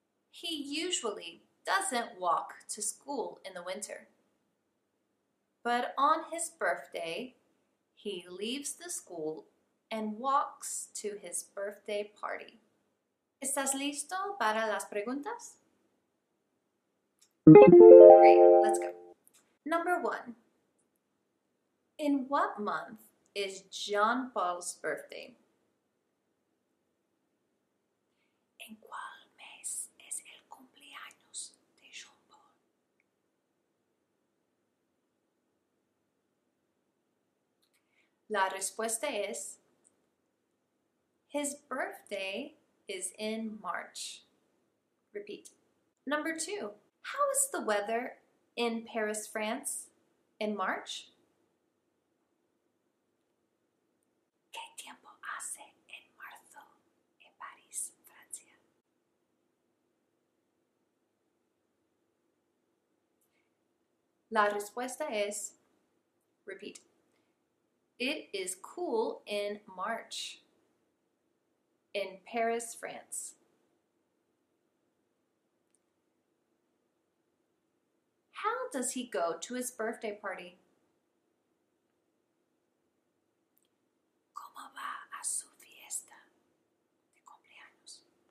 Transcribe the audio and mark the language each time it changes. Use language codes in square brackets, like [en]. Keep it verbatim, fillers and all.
[en] He usually doesn't walk to school in the winter. But on his birthday, he leaves the school and walks to his birthday party. [es] ¿Estás listo para las preguntas? [en] Great, let's go. Number one. In what month is Jean Paul's birthday? [es] ¿En cuál mes es el cumpleaños de Jean Paul? La respuesta es, [en] his birthday is in March. Repeat. Number two. How is the weather in Paris, France in March? [es] ¿Qué tiempo hace en marzo en París, Francia? La respuesta es, [en] repeat, it is cool in March in Paris, France. How does he go to his birthday party? [es] ¿Cómo va a su fiesta de cumpleaños?